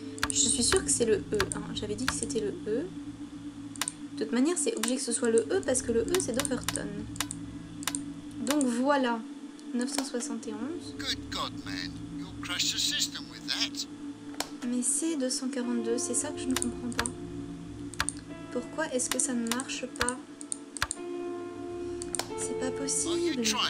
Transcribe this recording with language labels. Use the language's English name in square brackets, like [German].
[French] Je suis sûre que c'est le E. Hein. J'avais dit que c'était le E. De toute manière, c'est obligé que ce soit le E parce que le E, c'est d'Overton. Donc voilà. [English] 971. Good God, man. You'll crush the system with that. [French] Mais c'est 242, c'est ça que je ne comprends pas. Pourquoi est-ce que ça ne marche pas? C'est pas possible.